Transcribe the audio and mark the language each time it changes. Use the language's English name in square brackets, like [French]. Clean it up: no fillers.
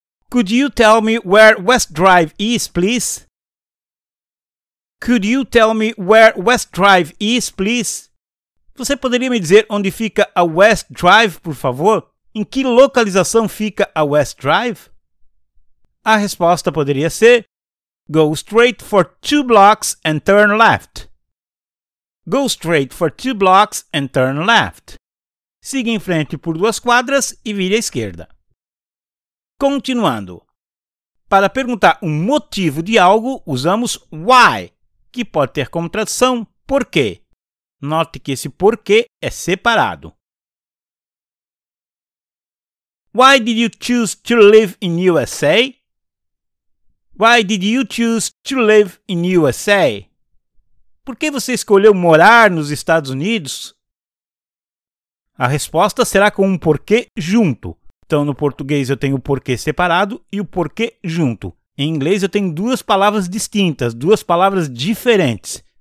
[English] Could you tell me where West Drive is, please? Could you tell me where West Drive is, please? [Portuguese] Você poderia me dizer onde fica a West Drive, por favor? Em que localização fica a West Drive? A resposta poderia ser [English] Go straight for 2 blocks and turn left. Go straight for 2 blocks and turn left. [Portuguese] Siga em frente por 2 quadras e vire à esquerda. Continuando. Para perguntar um motivo de algo, usamos why, que pode ter como tradução por quê. Note que esse porquê é separado. [English] Why did you choose to live in USA? Why did you choose to live in USA? [Portuguese] Por que você escolheu morar nos Estados Unidos? A resposta será com um porquê junto. Então, no português eu tenho o porquê separado e o porquê junto. Em inglês eu tenho 2 palavras distintas, 2 palavras diferentes.